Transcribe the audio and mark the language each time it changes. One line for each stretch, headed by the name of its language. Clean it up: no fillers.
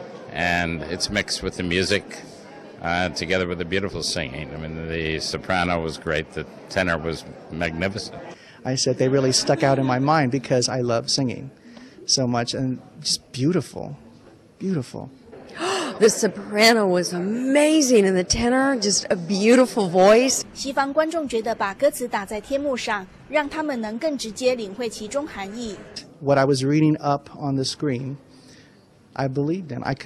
English: And it's mixed with the music, together with the beautiful singing. I mean, the soprano was great, the tenor was magnificent. I said they really stuck out in my mind because I love singing so much, and just beautiful, beautiful. The soprano was amazing, and the tenor, just a beautiful voice.
Chinese: 西方观众觉得把歌词打在天幕上，让他们能更直接领会其中含义。
English: What I was reading up on the screen, I believed in.